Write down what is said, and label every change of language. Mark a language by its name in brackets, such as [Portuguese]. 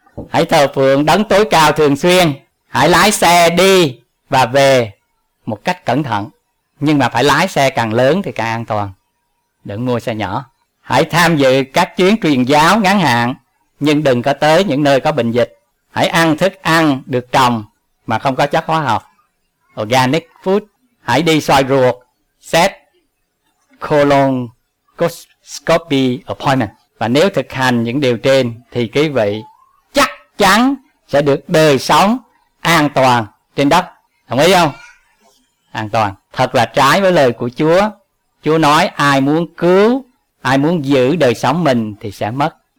[Vietnamese] Hãy thờ phượng đấng tối cao thường xuyên. Hãy lái xe đi và về một cách cẩn thận. Nhưng mà phải lái xe càng lớn thì càng an toàn. Đừng mua xe nhỏ. Hãy tham dự các chuyến truyền giáo ngắn hạn, nhưng đừng có tới những nơi có bệnh dịch. Hãy ăn thức ăn được trồng mà không có chất hóa học. [English] Organic food. [Vietnamese] Hãy đi soi ruột. [English] Set colonoscopy appointment. [Vietnamese] Và nếu thực hành những điều trên thì quý vị chắc chắn sẽ được đời sống an toàn trên đất. Đồng ý không? An toàn. Thật là trái với lời của Chúa. Chúa nói ai muốn cứu, ai muốn giữ đời sống mình thì sẽ mất.